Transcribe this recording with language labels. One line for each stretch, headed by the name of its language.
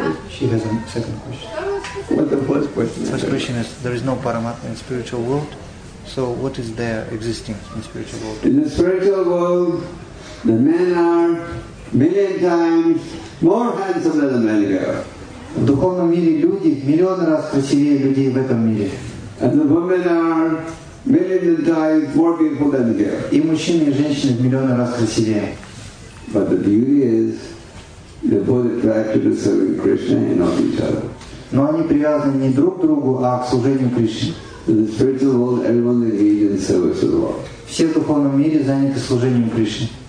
English: She has a second question. What the first question? First question is: there is no paramatma in spiritual world. So, what is there existing in spiritual world? In the spiritual world, the men are million times more handsome than the men are.
Russian: В духовном мире люди миллион раз красивее людей в этом мире.
English: And the women are millions of times more beautiful than the girl.
Russian: И мужчины и женщины в миллион раз красивее.
English: But the beauty is the both attracted to serving Krishna and not each other.
Russian: Но они привязаны не друг к другу, а к служению Кришне.
English: In the spiritual world, everyone engaged in service of the Lord.
Russian: Все в духовном мире заняты служением Кришне.